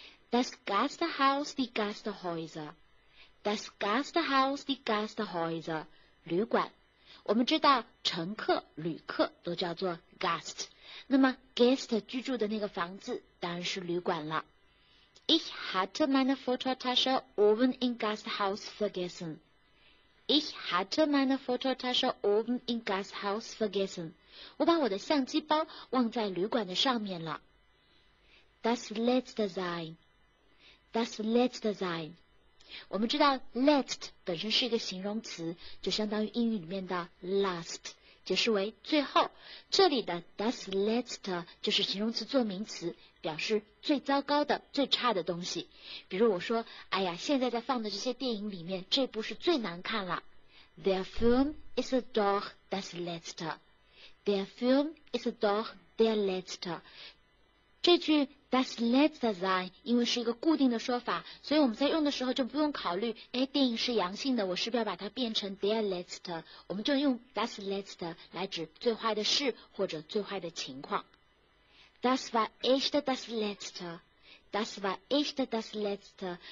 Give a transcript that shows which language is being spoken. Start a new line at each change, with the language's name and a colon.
German: Das Gasthaus, die Gasthäuser. Das Gasthaus, die Gasthäuser.
Chinese: 旅馆。我们知道乘客、旅客都叫做 Gast。那么 Gast 居住的那个房子当然是旅馆了。
German: Ich hatte meine Fototasche oben im Gasthaus vergessen. Ich hatte meine Fototasche oben im Gasthaus vergessen.
Chinese: 我把我的相机包忘在旅馆的上面了。
German: Das letzte sein. Das letzte sein.
Chinese: 我们知道 letzt 本身是一个形容词，就相当于英语里面的 last， 解释为最后。这里的
German: das letzte
Chinese: 就是形容词做名词，表示最糟糕的、最差的东西。比如我说，哎呀，现在在放的这些电影里面，这部是最难看了。
German: Der Film ist doch das letzte. Der Film ist doch der letzte.
Chinese: 这句
German: das letzte sein
Chinese: 因为是一个固定的说法，所以我们在用的时候就不用考虑，哎，电影是阳性的，我是不是要把它变成
German: der letzte?
Chinese: 我们就用
German: das letzte
Chinese: 来指最坏的事或者最坏的情况。
German: Das war echt das letzte. Das war echt das letzte.